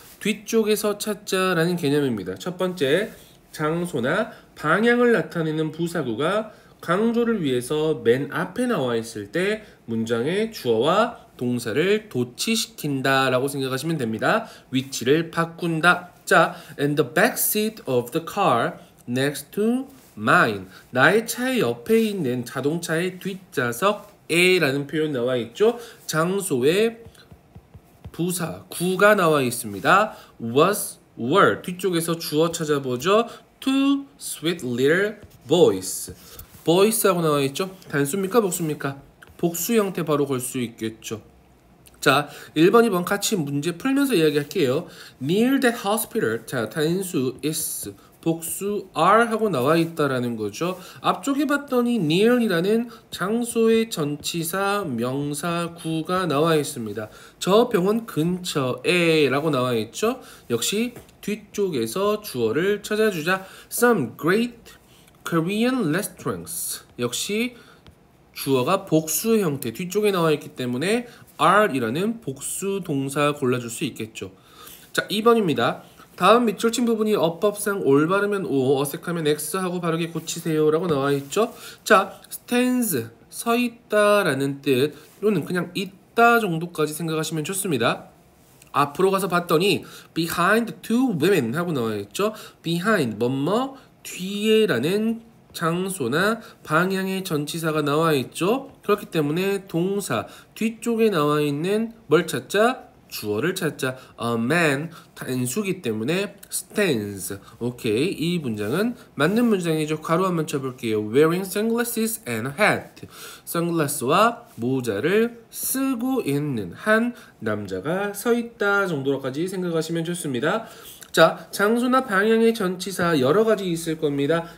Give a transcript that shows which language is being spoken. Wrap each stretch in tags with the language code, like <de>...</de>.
<ko>뒤쪽에서 찾자라는 개념입니다. 첫 번째, 장소나 방향을 나타내는 부사구가 강조를 위해서 맨 앞에 나와 있을 때 문장의 주어와 동사를 도치시킨다 라고 생각하시면 됩니다. 위치를 바꾼다.</ko> <en>자, and the back seat of the car next to mine.</en> <ko>나의 차의 옆에 있는 자동차의 뒷좌석에 라는 표현 나와 있죠. 장소에 부사 구가 나와 있습니다.</ko> <en>was, were.</en> <ko>뒤쪽에서 주어 찾아보죠.</ko> <en>two sweet little boys.</en> <ko>boys 하고 나와 있죠. 단수입니까? 복수입니까? 복수 형태 바로 걸 수 있겠죠. 자, 1번, 2번 같이 문제 풀면서 이야기할게요.</ko> <en>Near the hospital.</en> <ko>자, 단수 is, 복수 are 하고 나와 있다라는 거죠. 앞쪽에 봤더니 near이라는 장소의 전치사 명사구가 나와 있습니다. 저 병원 근처에 라고 나와 있죠. 역시 뒤쪽에서 주어를 찾아주자.</ko> <en>Some great Korean restaurants.</en> <ko>역시 주어가 복수 형태, 뒤쪽에 나와 있기 때문에 are이라는 복수 동사 골라줄 수 있겠죠. 자, 2번입니다. 다음 밑줄 친 부분이 어법상 올바르면 O, 어색하면 X 하고 바르게 고치세요 라고 나와 있죠. 자, stands, 서 있다 라는 뜻, 또는 그냥 있다 정도까지 생각하시면 좋습니다. 앞으로 가서 봤더니</ko> <en>behind two women</en> <ko>하고 나와 있죠. behind, 뭐뭐, 뒤에 라는 장소나 방향의 전치사가 나와 있죠. 그렇기 때문에 동사 뒤쪽에 나와 있는 뭘 찾자? 주어를 찾자.</ko> <en>A man,</en> <ko>단수기 때문에 stands. 오케이, 이 문장은 맞는 문장이죠. 괄호 한번 쳐볼게요.</ko> <en>Wearing sunglasses and a hat.</en> <ko>선글라스와 모자를 쓰고 있는 한 남자가 서 있다 정도까지 생각하시면 좋습니다. 자, 장소나 방향의 전치사 여러 가지 있을 겁니다.</ko>